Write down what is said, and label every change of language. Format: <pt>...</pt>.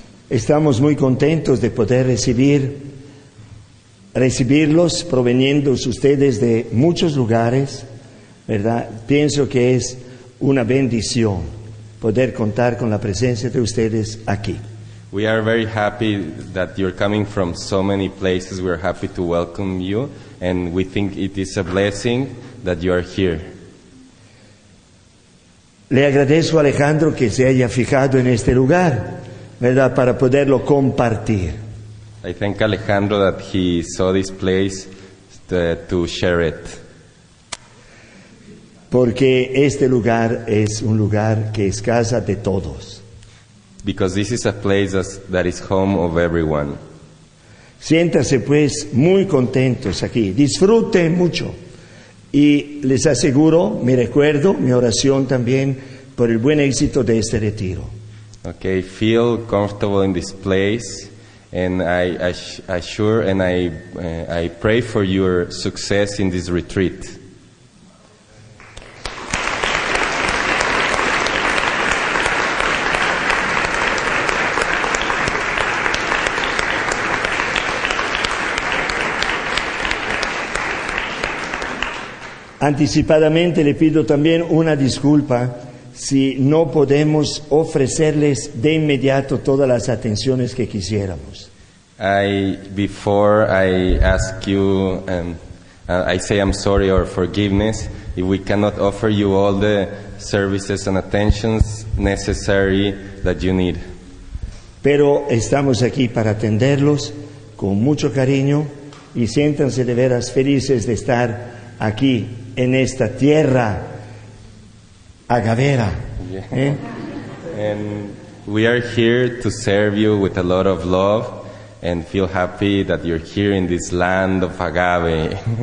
<es>Estamos muy contentos de poder recibirlos proveniendo ustedes de muchos lugares, ¿verdad? Pienso que es una bendición poder contar con la presencia de ustedes aquí.</es> <en>We are very happy that you're coming from so many places. We're happy to welcome you, and we think it is a blessing that you are here.</en> <es>Le agradezco a Alejandro que se haya fijado en este lugar, ¿verdad? Para poderlo compartir.</es> <en>I thank Alejandro that he saw this place to share it.</en> <es>Porque este lugar es un lugar que es casa de todos.</es> <en>Because this is a place that is home of everyone.</en> <es>Siéntase pues muy contentos aquí. Disfrute mucho. Y les aseguro, me recuerdo, mi oración también por el buen éxito de este retiro.</es> <en>Okay, feel comfortable in this place, and I pray for your success in this retreat.</en> <es>Anticipadamente le pido también una disculpa si no podemos ofrecerles de inmediato todas las atenciones que quisiéramos.</es> <en>Before I ask you, I say I'm sorry or forgiveness if we cannot offer you all the services and attentions necessary that you need.</en> <es>Pero estamos aquí para atenderlos con mucho cariño y siéntanse de veras felices de estar aquí en esta tierra. Agavera. Yeah.</es> <en>And we are here to serve you with a lot of love and feel happy that you're here in this land of agave.</en>